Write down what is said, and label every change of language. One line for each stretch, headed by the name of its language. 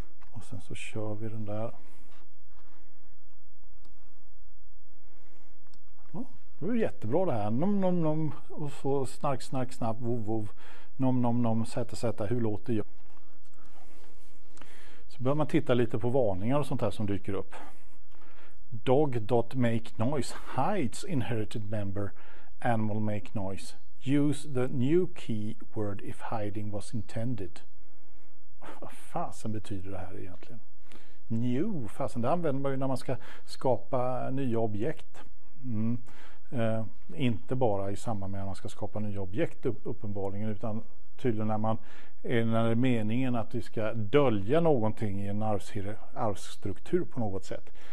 Swedish: Och sen så kör vi den där. Ja, då Det var jättebra det här. Nom, nom, nom. Och så snark, snark, snapp, vov, vov. Nom, nom, nom, sätta, sätta. Hur låter jag? Så bör man titta lite på varningar och sånt här som dyker upp.
English: Dog dot make noise hides inherited member animal make noise. Use the new keyword if hiding was intended.
Swedish: Vad fasen betyder det här egentligen? New, fasen, det använder man ju när man ska skapa nya objekt. Mm. Inte bara i samband med att man ska skapa nya objekt uppenbarligen, utan tydligen när det är meningen att vi ska dölja någonting i en arvsstruktur på något sätt.